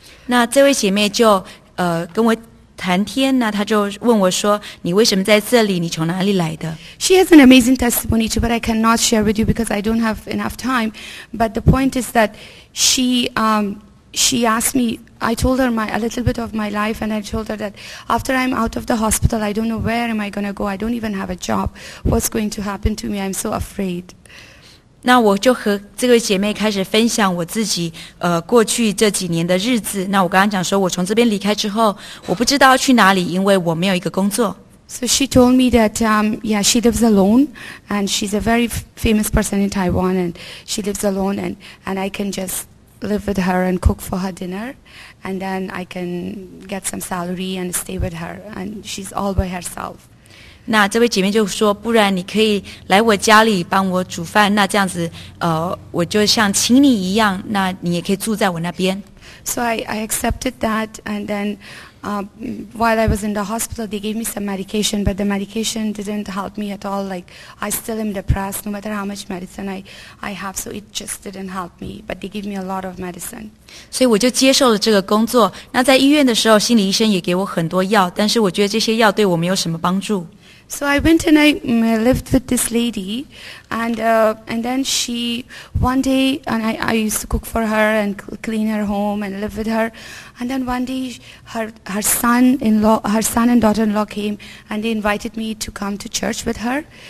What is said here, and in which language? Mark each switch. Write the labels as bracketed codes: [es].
[zh] 那这位姐妹就 跟我谈天， 那她就问我说， 你为什么在这里， 你从哪里来的？ [en] She has an amazing testimony too, but I cannot share with you because I don't have enough time. But the point is that she asked me, I told her a little bit of my life, and I told her that after I'm out of the hospital, I don't know where am I going to go. I don't even have a job. What's going to happen to me? I'm so afraid. [zh] 那我就和这位姐妹开始分享我自己 过去这几年的日子。那我刚刚讲说我从这边离开之后， 我不知道去哪里， 因为我没有一个工作。 [en] So she told me that, yeah, she lives alone, and she's a very famous person in Taiwan, and she lives alone, and I can just live with her and cook for her dinner, and then I can get some salary and stay with her, and she's all by herself. [zh] 那这位姐妹就说，不然你可以来我家里帮我煮饭， 那这样子, 我就像亲你一样， 那你也可以住在我那边。 [en] So I accepted that, and then while I was in the hospital, they gave me some medication, but the medication didn't help me at all. Like, I still am depressed, no matter how much medicine I have, so it just didn't help me, but they gave me a lot of medicine. [zh] 所以我就接受了这个工作。那在医院的时候， 心理医生也给我很多药， 但是我觉得这些药对我没有什么帮助。 [en] So I went and I lived with this lady, and then she, one day, and I used to cook for her and clean her home and live with her, and then one day her son and daughter-in-law came, and they invited me to come to church with her.